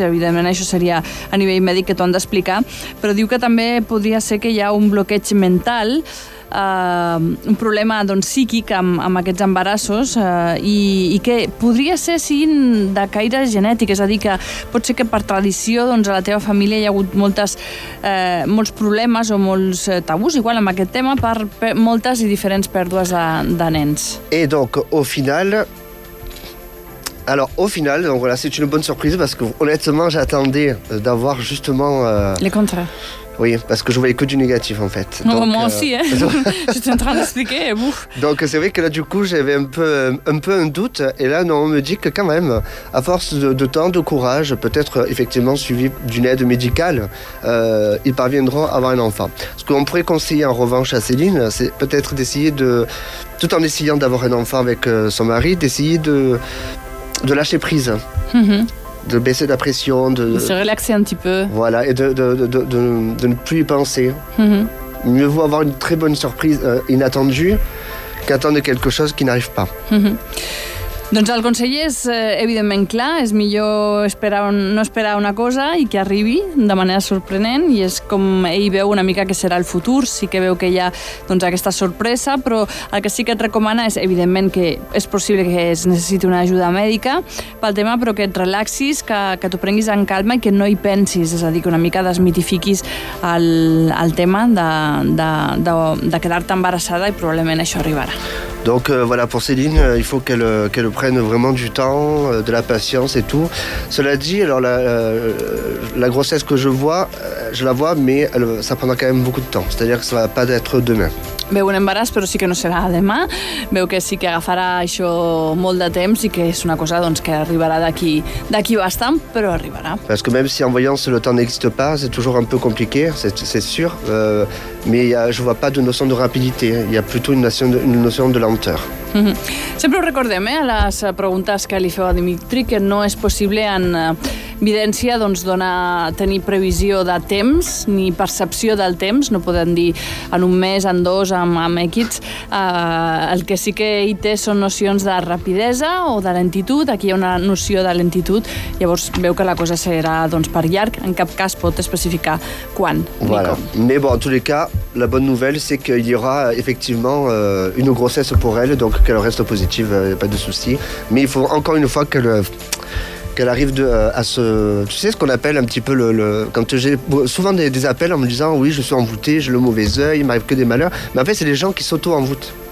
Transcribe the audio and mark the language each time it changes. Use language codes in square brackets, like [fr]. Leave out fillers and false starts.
[ca] Evidentment, això seria a nivell mèdic que t'ho han d'explicar. Però diu que també podria ser que hi ha un bloqueig mental, un problema doncs, psíquic amb aquests embarassos i que podria ser sí, de caire genètic, és a dir que pot ser que per tradició doncs, a la teva família hi ha hagut molts problemes o molts tabús igual amb aquest tema per moltes i diferents pèrdues de nens. [fr] Et donc au final, donc voilà, c'est une bonne surprise parce que honnêtement j'attendais d'avoir justement les contrats. Oui, parce que je voyais que du négatif en fait. Non, donc, moi aussi, hein. J'étais en train d'expliquer, et vous. Donc c'est vrai que là, du coup, j'avais un peu un doute. Et là, non, on me dit que quand même, à force de temps, de courage, peut-être effectivement suivi d'une aide médicale, ils parviendront à avoir un enfant. Ce qu'on pourrait conseiller en revanche à Céline, c'est peut-être d'essayer de, tout en essayant d'avoir un enfant avec son mari, d'essayer de lâcher prise. De baisser la pression, de se relaxer un petit peu. Voilà, et de ne plus y penser. Mieux vaut avoir une très bonne surprise inattendue qu'attendre quelque chose qui n'arrive pas. [ca] Doncs el conseller és evidentment clar, és millor esperar, no esperar una cosa i que arribi de manera sorprenent, i és com ell veu una mica que serà el futur, sí que veu que hi ha doncs, aquesta sorpresa, però el que sí que et recomana és evidentment que és possible que es necessiti una ajuda mèdica pel tema, però que et relaxis, que t'ho prenguis en calma i que no hi pensis, és a dir, que una mica desmitifiquis el tema de quedar-te embarassada i probablement això arribarà. [fr] Donc voilà, pour Céline, il faut qu'elle prenne vraiment du temps, de la patience et tout. Cela dit, alors la grossesse que je vois, je la vois, mais ça prendra quand même beaucoup de temps. C'est-à-dire que ça ne va pas être demain. [ca] Veu un embaràs, però sí que no serà demà. Veu que sí que agafarà això molt de temps i que és una cosa doncs, que arribarà d'aquí bastant, però arribarà. [fr] Parce que même si en voyance le temps n'existe pas, c'est toujours un peu compliqué, c'est sûr. Mais je ne vois pas de notion de rapidité. Il y a plutôt une notion de lenteur. [ca] Sempre ho recordem, a les preguntes que li feu a Dimitri, que no és possible en evidència doncs, donar, tenir previsió de temps ni percepció del temps, no podem dir en un mes, en dos, amb equips. El que sí que hi té són nocions de rapidesa o de lentitud, aquí hi ha una noció de lentitud, llavors veu que la cosa serà doncs, per llarg, en cap cas pot especificar quan [fr] voilà. [ca] Ni com. [fr] Mais bon, en tous les cas, la bonne nouvelle c'est qu'il y aura effectivement une grossesse pour elle, donc qu'elle reste positive, pas de souci. Mais il faut encore une fois qu'elle arrive à se... Tu sais ce qu'on appelle un petit peu le... Quand j'ai souvent des appels en me disant « Oui, je suis envoûté, j'ai le mauvais œil, il ne m'arrive que des malheurs. » Mais en fait, c'est les gens qui s'auto-envoûtent.